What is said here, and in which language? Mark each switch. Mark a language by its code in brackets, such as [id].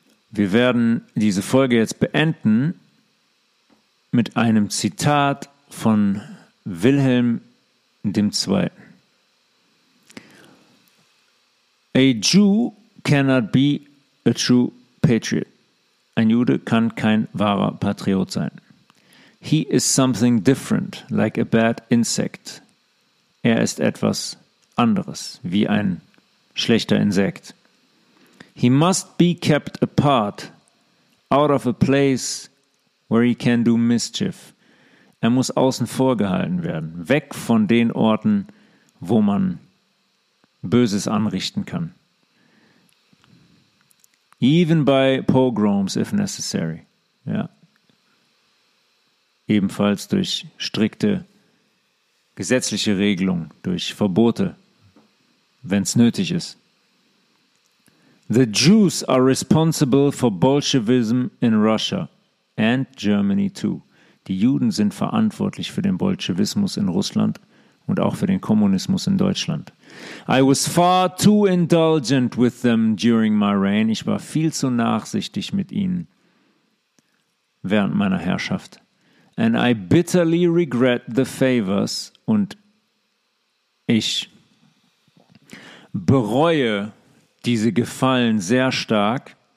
[de] Wir werden diese Folge jetzt beenden mit einem Zitat von Wilhelm II. [en] A Jew cannot be a true patriot. [de] Ein Jude kann kein wahrer Patriot sein. [en] He is something different, like a bad insect. [de] Er ist etwas anderes, wie ein schlechter Insekt. [en] He must be kept apart, out of a place where he can do mischief. [de] Er muss außen vor gehalten werden, weg von den Orten, wo man Böses anrichten kann. [en] Even by pogroms, if necessary. [de] Ja. Ebenfalls durch strikte gesetzliche Regelungen, durch Verbote, wenn es nötig ist. [en] The Jews are responsible for Bolshevism in Russia and Germany too. [de] Die Juden sind verantwortlich für den Bolschewismus in Russland und auch für den Kommunismus in Deutschland. [en] I was far too indulgent with them during my reign. [de] Ich war viel zu nachsichtig mit ihnen während meiner Herrschaft. [en] And I bitterly regret the favors. [de] Und ich bereue diese Gefallen sehr stark.